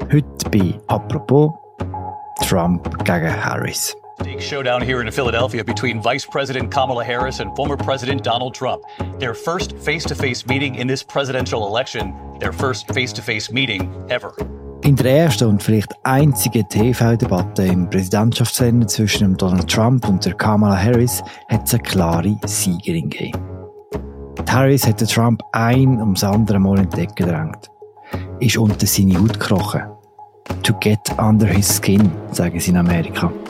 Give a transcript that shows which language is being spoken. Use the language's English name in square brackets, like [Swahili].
[German] Heute bei Apropos Trump gegen Harris. [English] Big showdown here in Philadelphia between Vice President Kamala Harris and former President Donald Trump. Their first face-to-face meeting in this presidential election. Their first face-to-face meeting ever. [German] In der ersten und vielleicht einzigen TV-Debatte im Präsidentschaftsrennen zwischen Donald Trump und Kamala Harris hat es eine klare Siegerin gegeben. Harris hat Trump ein ums andere Mal in die Decke gedrängt. Ist unter seine Haut gekrochen. [English] To get under his skin, [German] sagen sie in Amerika.